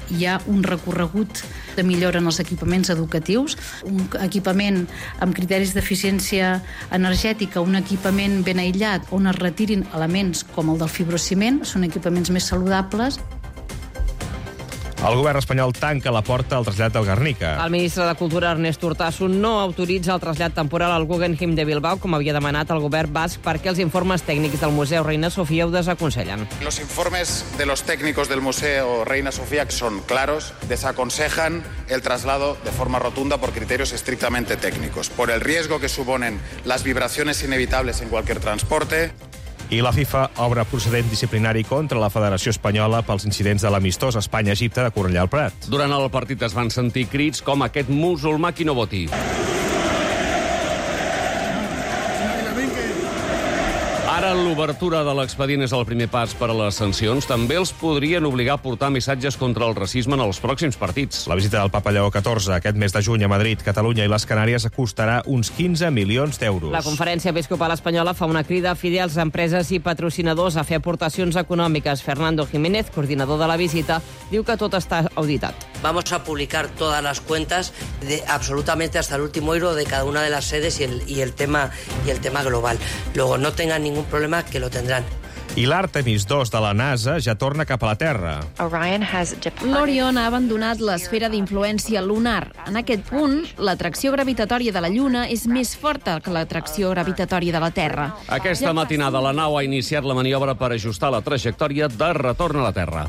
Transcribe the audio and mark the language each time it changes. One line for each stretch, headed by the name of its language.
Catalan: Hi ha un recorregut de millora en els equipaments educatius, un equipament amb criteris d'eficiència energètica, un equipament ben aïllat on es retirin elements com el del fibrociment, són equipaments més saludables. El govern espanyol tanca la porta al trasllat del Guernica. El ministre de Cultura, Ernest Urtasun, no autoritza el trasllat temporal al Guggenheim de Bilbao, com havia demanat el govern basc, perquè els informes tècnics del Museu Reina Sofia ho desaconsellen.
Spanish: Los informes de los técnicos del Museo Reina Sofía son claros, desaconsejan el traslado de forma rotunda por criterios estrictamente técnicos, por el riesgo que suponen las vibraciones inevitables en cualquier transporte.
Catalan: I la FIFA obre procedent disciplinari contra la Federació Espanyola pels incidents de l'amistós Espanya-Egipte de Cornellà al Prat. Durant el partit es van sentir crits com aquest musulmà qui no voti. Ara l'obertura de l'expedient és el primer pas per a les sancions. També els podrien obligar a portar missatges contra el racisme en els pròxims partits. La visita del Papa Lleó 14 aquest mes de juny a Madrid, Catalunya i les Canàries costarà uns 15 milions d'euros. La Conferència Episcopal Espanyola fa una crida a fidels, empreses i patrocinadors a fer aportacions econòmiques. Fernando Jiménez, coordinador de la visita, diu que tot està auditat.
Spanish: Vamos a publicar todas las cuentas de absolutamente hasta el último euro de cada una de las sedes y el tema global. Luego no tengan ningún problema que lo tendrán.
Catalan: I l'Artemis 2 de la NASA ja torna cap a la Terra. L'Orion ha abandonat l'esfera d'influència lunar. En aquest punt, l'atracció gravitatòria de la Lluna és més forta que l'atracció gravitatòria de la Terra. Aquesta matinada, la nau ha iniciat la maniobra per ajustar la trajectòria de retorn a la Terra.